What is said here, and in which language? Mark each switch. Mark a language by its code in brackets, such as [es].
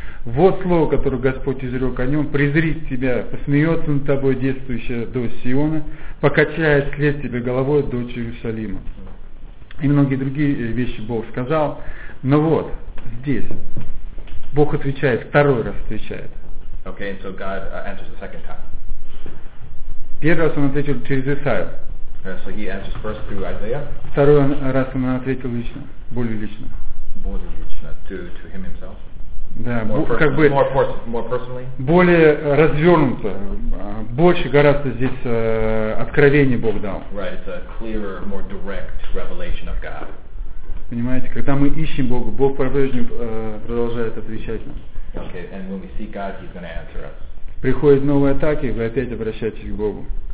[ru] Вот слово, которое Господь изрек о нем: презрит тебя, посмеется над тобой действующая дочь Сиона, покачает след тебе головой дочь Иерусалима. И многие другие вещи Бог сказал. Но вот здесь Бог отвечает, второй раз отвечает. [en] Okay, and so God answers the second time. [ru] Первый раз он ответил через Исаию. [en] So he answers first through Isaiah. [ru] Второй раз он ответил лично, более лично. Более лично, [en] to him himself. [ru] Да, [en] more personally. [ru] Более развернуто, больше гораздо здесь откровений Бог дал. [en] Right, it's a clearer, more direct revelation of God. [ru] Понимаете, когда мы ищем Бога, Бог по-прежнему продолжает отвечать нам. [en] Okay, and when we see God, He's going to answer us. [ru] Приходят новые атаки, вы опять обращаетесь к Богу.